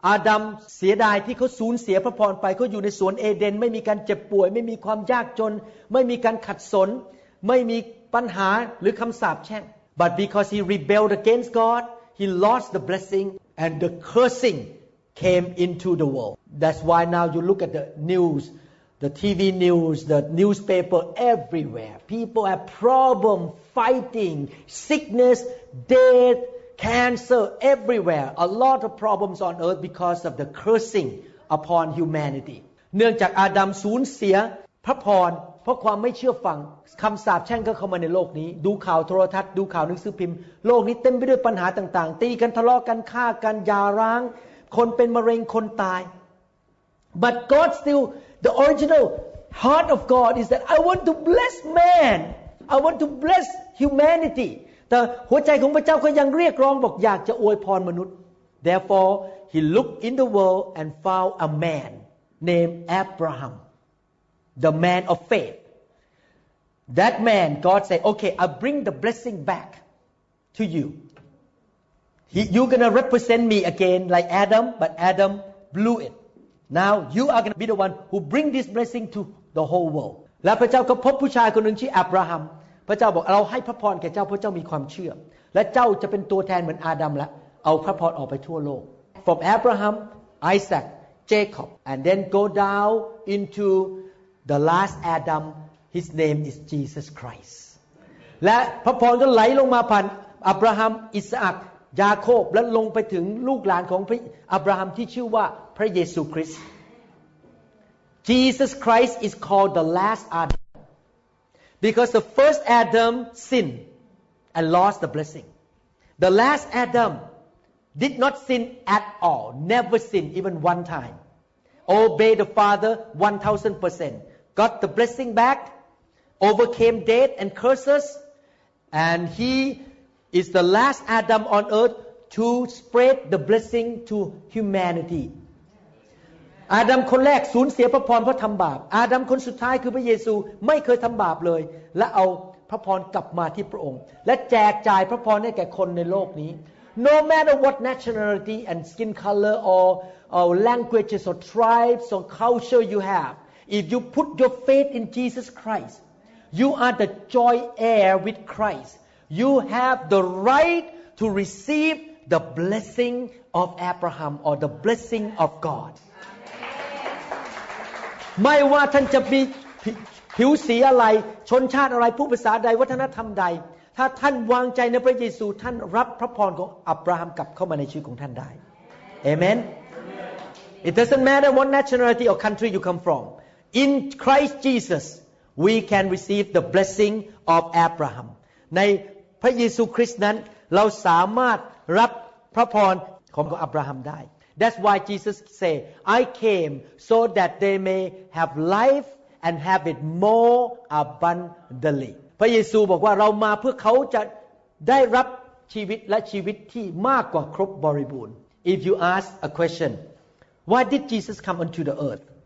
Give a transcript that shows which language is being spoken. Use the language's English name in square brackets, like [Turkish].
[Thai] Adam เสียดายที่เขาสูญเสียพระพรไปเขาอยู่ในสวนเอเดนไม่มีการเจ็บป่วยไม่มีความยากจนไม่มีการขัดสนไม่มีปัญหาหรือคำสาปแช่ง [English] But because he rebelled against God, he lost the blessing and the cursing came into the world. That's why now you look at the newsThe TV news, the newspaper, everywhere. People have problem fighting, sickness, death, cancer, everywhere. A lot of problems on earth because of the cursing upon humanity. [Thai] เนื่องจากอาดัมสูญเสียพระพรเพราะความไม่เชื่อฟังคำสาปแช่งก็เข้ามาในโลกนี้ดูข่าวโทรทัศน์ดูข่าวหนังสือพิมพ์โลกนี้เต็มไปด้วยปัญหาต่างๆตีกันทะเลาะกันฆ่ากันหย่าร้างคนเป็นมะเร็งคนตาย [English] But God stillThe original heart of God is that I want to bless man. I want to bless humanity. [Thai] แต่หัวใจของพระเจ้าก็ยังเรียกร้องบอกอยากจะอวยพรมนุษย์ [English] Therefore, he looked in the world and found a man named Abraham, the man of faith. That man, God said, okay, I bring the blessing back to you. You're going to represent me again like Adam, but Adam blew it. Now you are going to be the one who bring this blessing to the whole world. [Thai] และพระเจ้าก็พบผู้ชายคนหนึ่งชื่ออับราฮัมพระเจ้าบอกเราให้พระพรแก่เจ้าเพราะเจ้ามีความเชื่อและเจ้าจะเป็นตัวแทนเหมือนอาดัมละเอาพระพรออกไปทั่วโลก [English] From Abraham, Isaac, Jacob, and then go down into the last Adam. His name is Jesus Christ. [Thai] และพระพรก็ไหลลงมาผ่านอับราฮัมอิสอัคยาโคบและลงไปถึงลูกหลานของพระอับราฮัมที่ชื่อว่าพระเยซูคริสต์ [English] Jesus Christ is called the last Adam because the first Adam sinned and lost the blessing. The last Adam did not sin at all, never sin even one time. Obey the father 1000%. Got the blessing back, overcame death and curses, and he is the last Adam on earth to spread the blessing to humanity. [Thai] อาดัมคนแรกสูญเสียพระพรเพราะทำบาปอาดัมคนสุดท้ายคือพระเยซูไม่เคยทำบาปเลยและเอาพระพรกลับมาที่พระองค์และแจกจ่ายพระพรให้แก่คนในโลกนี้ [English] No matter what nationality and skin color or languages or tribes or culture you have, if you put your faith in Jesus Christ, you are the joint heir with Christ. You have the right to receive the blessing of Abraham or the blessing of God. [Thai] ไม่ว่าท่านจะมีผิวสีอะไรชนชาติอะไรพูดภาษาใดวัฒนธรรมใดถ้าท่านวางใจในพระเยซูท่านรับพระพรของอับราฮัมกลับเข้ามาในชีวิตของท่านได้เอเมน [English] It doesn't matter what nationality or country you come from. In Christ Jesus we can receive the blessing of Abraham. [Thai] ในพระเยซูคริสต์นั้นเราสามารถรับพระพรของอับราฮัมได้ [English] That's why Jesus said, I came so that they may have life and have it more abundantly. [Thai] พระเยซูบอกว่าเรามาเพื่อเขาจะได้รับชีวิตและชีวิตที่มากกว่าครบบริบูรณ์ [English] If you ask a question, why did Jesus come onto the earth?